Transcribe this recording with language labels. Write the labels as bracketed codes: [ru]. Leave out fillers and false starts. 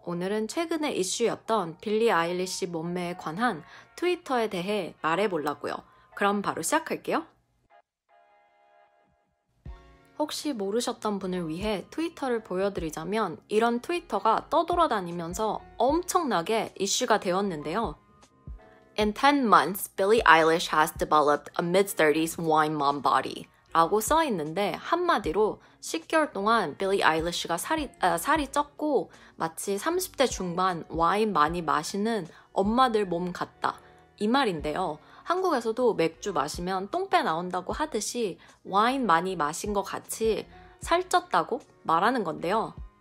[ko] 오늘은 최근에 이슈였던 빌리 아일리시 몸매에 관한 트위터에 대해 말해보려고요. 그럼 바로 시작할게요. 혹시 모르셨던 분을 위해 트위터를 보여드리자면 이런 트위터가 떠돌아다니면서 엄청나게 이슈가 되었는데요. [en] In 10 months, Billie Eilish has developed a mid-30s wine mom body. [ko] 라고 써 있는데 한마디로 10개월 동안 빌리 아일리시가 살이 쪘고 마치 30대 중반 와인 많이 마시는 엄마들 몸 같다 이 말인데요. 한국에서도 맥주 마시면 똥배 나온다고 하듯이 와인 많이 마신 것 같이 살쪘다고 말하는 건데요.